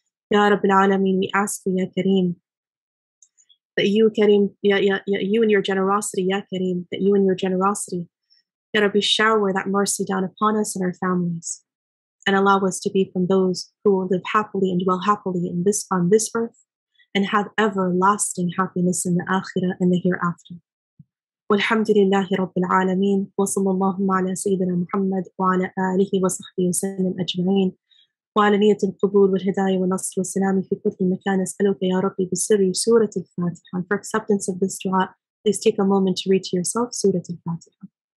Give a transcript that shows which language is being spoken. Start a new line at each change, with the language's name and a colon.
English: Ya Rabbi Alameen, we ask you, Ya Kareem, that you, Kareem, you and your generosity, Ya Kareem, that you and your generosity, Ya Rabbi, shower that mercy down upon us and our families, and allow us to be from those who will live happily and dwell happily in this on this earth and have everlasting happiness in the Akhirah and the hereafter.
Arabic: والحمد لله رب العالمين وصلى الله على سيدنا محمد وعلى آله وصحبه وسلم أجمعين وعلى نية القبول والهداية والنصر والسلام في كل مكان أسألك يا ربي بسر سورة الفاتحة.
English: For acceptance of this dua, please take a moment to read to yourself سورة الفاتحة.